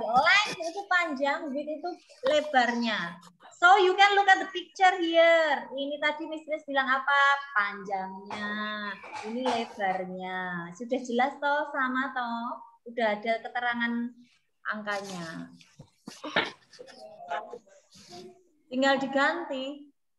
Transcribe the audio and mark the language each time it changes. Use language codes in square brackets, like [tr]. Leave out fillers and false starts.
[id] Length itu panjang, width itu lebarnya. [en] So, you can look at the picture here. [id] Ini tadi Miss bilang apa? Panjangnya, ini lebarnya. Sudah jelas toh sama toh? Udah ada keterangan angkanya. Tinggal diganti.